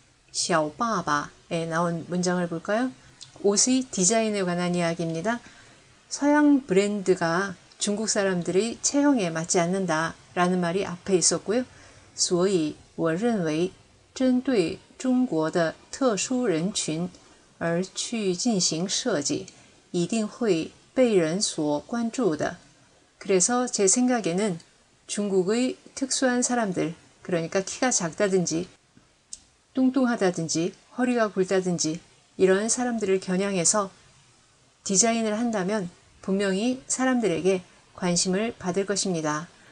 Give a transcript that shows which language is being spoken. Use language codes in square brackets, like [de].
[ko] 小爸爸에 나온 문장을 볼까요? 옷의 디자인에 관한 이야기입니다. 서양 브랜드가 중국 사람들의 체형에 맞지 않는다 라는 말이 앞에 있었고요. [zh] 所以我认为针对中国的特殊人群而去进行设计一定会被人所关注的. [ko] 그래서 제 생각에는 중국의 특수한 사람들, 그러니까 키가 작다든지 뚱뚱하다든지 허리가 굵다든지 이런 사람들을 겨냥해서 디자인을 한다면 분명히 사람들에게 관심을 받을 것입니다.